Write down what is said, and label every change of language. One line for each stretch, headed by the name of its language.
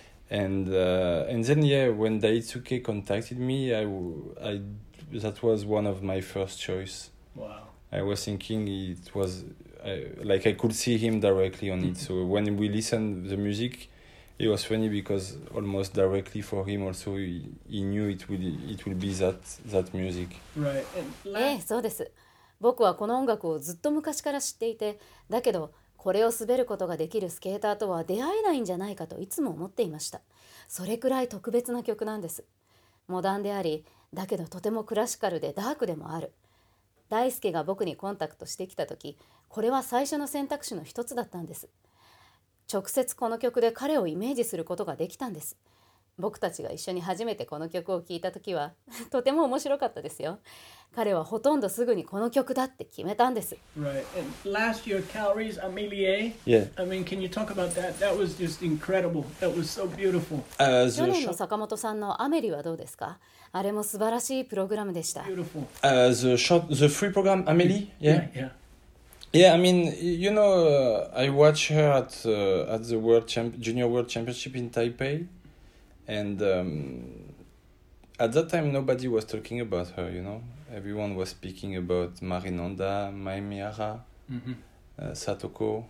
English: And then, yeah, when Daisuke contacted me, I that was one of my first choice. Wow. I was thinking it was, I could see him directly on it. So when we listened the music, it was funny because almost directly for him also, he knew it would be that music. Right.
Japanese: そうです。僕はこの音楽をずっと昔から知っていて、だけどこれを滑ることができるスケーターとは出会えないんじゃないかといつも思っていました。それくらい特別な曲なんです。モダンであり、だけどとてもクラシカルでダークでもある。大輔が僕にコンタクトしてきた時、これは最初の選択肢の一つだったんです。直接この曲で彼をイメージすることができたんです。僕たちが一緒に初めてこの曲を聴いた時はとても面白かったですよ。彼はほとんどすぐにこの曲だって決めたんです。
English: Right. And last year, Calories Amelie. Yeah. I mean, can you talk about that? That was just incredible. That was so beautiful.
Japanese: 去年の坂本さんのアメリはどうですか？あれも素晴らしいプログラムでした。
English: Beautiful. The free program, Amelie? Yeah. Yeah. Yeah, I mean, you know, I watch her at the Junior World Championship in Taipei, and at that time nobody was talking about her. You know, everyone was speaking about Marinanda, Maimiara, Satoko,